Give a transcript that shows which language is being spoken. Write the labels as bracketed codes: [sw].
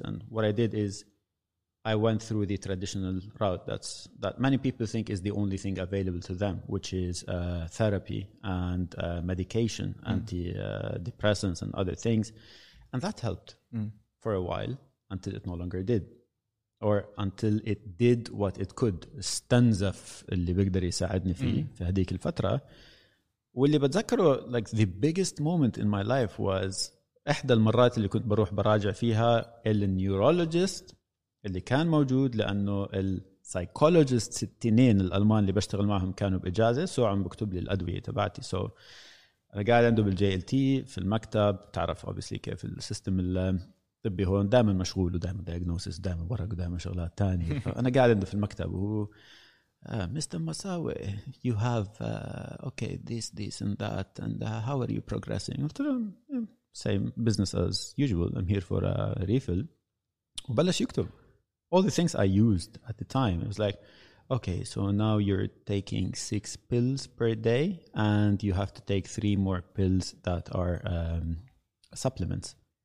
[en] And what I did is I went through the traditional route that many people think is the only thing available to them, which is therapy and medication, antidepressants and other things. And that helped for a while until it no longer did. Or until it did what it could. [ar] استنزف اللي بقدر يساعدني في هذيك الفترة. واللي بتذكره, [en] like the biggest moment in my life was [ar] إحدى المرات اللي كنت بروح براجع فيها النيورولوجيست اللي كان موجود, لأنه السايكولوجيست التنين الألمان اللي بشتغل معهم كانوا بإجازة, سو عم بكتب لي الأدوية تبعتي. سو أنا قاعد عنده بالجي إل تي في المكتب, تعرف obviously كيف السيستم الطبي هون, دائما مشغول ودائما دياجنوسيس, دائما ورق ودائما شغلات تانية. فأنا قاعد عنده في المكتب وهو Mr. [en] Masarweh, you have okay, this and that, and how are you progressing? After same business as usual, I'm here for a refill. [ar] وبلش يكتب [en] all the things I used at the time. It was like, okay, so now you're taking 6 pills per day and you have to take 3 more pills that are supplements.